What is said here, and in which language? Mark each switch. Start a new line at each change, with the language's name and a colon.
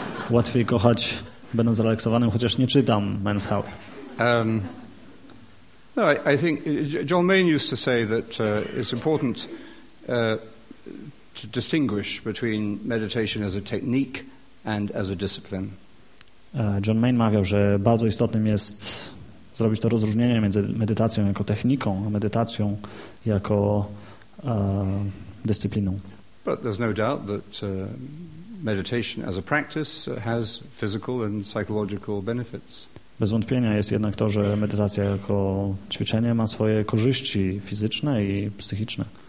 Polish: Łatwiej kochać, będąc zrelaksowanym, chociaż nie czytam Men's Health.
English: I think John Maine used to say that it's important to distinguish between meditation as a technique and as a discipline.
Polish: John Maine mawiał, że bardzo istotnym jest zrobić to rozróżnienie między medytacją jako techniką, a medytacją jako dyscypliną.
English: But there's no doubt that meditation as a practice has physical and psychological benefits.
Polish: Bez wątpienia jest jednak to, że medytacja jako ćwiczenie ma swoje korzyści fizyczne i psychiczne.